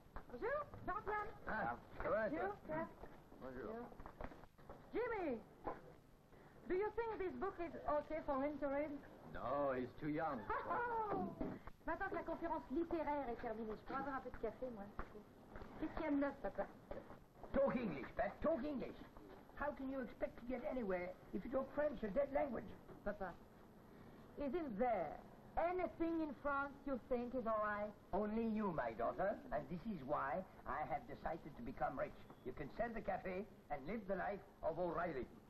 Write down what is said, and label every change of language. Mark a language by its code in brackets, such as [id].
[fr] Bonjour, Jean-Claude. [en] Ah, how are you? [fr] Bonjour. [en] Jimmy, do you think this book is okay for him to read? No, he's too young. [fr] Maintenant que la conférence littéraire est terminée, je prendrai un peu de café, moi. Qu'est-ce qu'il y a de neuf, papa? [en] Talk English, Pat, talk English. How can you expect to get anywhere if you talk French, a dead language? Papa, isn't there anything in France you think is all right? Only you, my daughter, and this is why I have decided to become rich. You can sell the café and live the life of O'Reilly.